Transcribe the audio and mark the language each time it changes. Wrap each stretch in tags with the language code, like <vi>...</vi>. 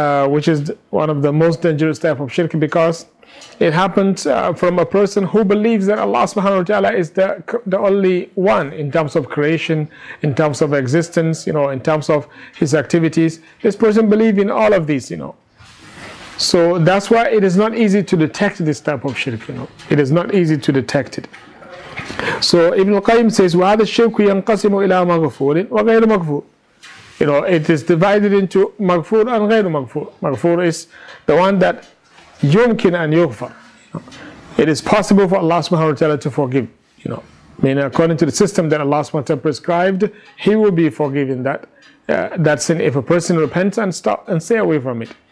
<en>Which is one of the most dangerous type of shirk, because it happens from a person who believes that Allah subhanahu wa ta'ala is the only one in terms of creation, in terms of existence, you know, in terms of his activities. This person believes in all of these, you know. So that's why it is not easy to detect this type of shirk, you know. It is not easy to detect it. So Ibn al-Qayyim says,</en> <ar>وَهَذَا الشِّرْكُ يَنْقَسِمُ إِلَىٰ مَغْفُورٍ وَغَيْرُ مَغْفُورٍ.</ar> <en>You know, it is divided into maghfur and ghayr maghfur. Maghfur is the one that yumkin and yughfar. It is possible for Allah subhanahu wa ta'ala to forgive. You know, I mean, according to the system that Allah subhanahu wa ta'ala prescribed, He will be forgiven that sin if a person repents and stop and stay away from it.</en>